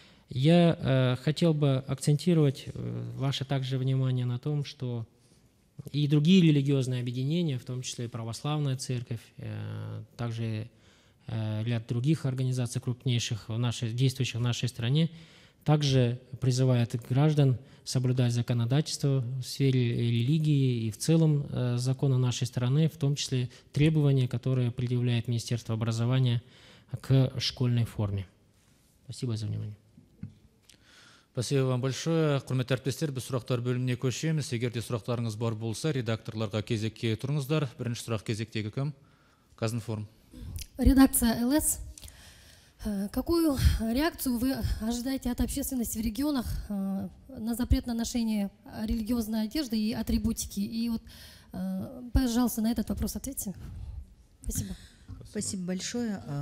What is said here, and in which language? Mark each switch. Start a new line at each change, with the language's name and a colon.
Russian: Я хотел бы акцентировать ваше также внимание на том, что и другие религиозные объединения, в том числе и Православная Церковь, также ряд других организаций крупнейших, действующих в нашей стране, также призывает граждан соблюдать законодательство в сфере религии и в целом законы нашей страны, в том числе требования, которые предъявляет Министерство образования к школьной форме. Спасибо за внимание. Спасибо вам большое.
Kazakh: Құрметті әріптестер, біз сұрақтар бөліміне көшеміз. Егер де сұрақтарыңыз бар болса, редакторларға кезекке тұрыңыздар. Бірінші сұрақ кезектегі кім? Казинформ.
Russian: Редакция ЛС. Какую реакцию вы ожидаете от общественности в регионах на запрет на ношение религиозной одежды и атрибутики? И вот Пожалуйста, на этот вопрос ответьте. Спасибо. Спасибо большое.